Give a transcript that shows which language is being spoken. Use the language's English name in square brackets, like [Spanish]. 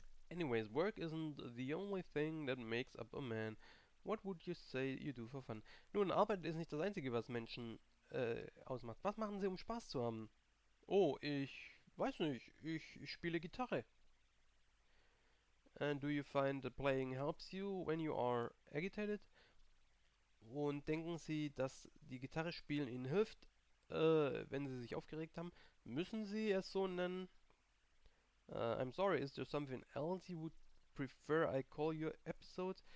[English] Anyways, work isn't the only thing that makes up a man. What would you say you do for fun? [German] Nun, Arbeit ist nicht das Einzige, was Menschen ausmacht. Was machen sie, um Spaß zu haben? Oh, ich weiß nicht, ich spiele Gitarre. [English] And do you find that playing helps you when you are agitated? [German] Und denken Sie, dass die Gitarre spielen Ihnen hilft, wenn Sie sich aufgeregt haben? Müssen Sie es so nennen? [English] I'm sorry, is there something else you would prefer I call your episode?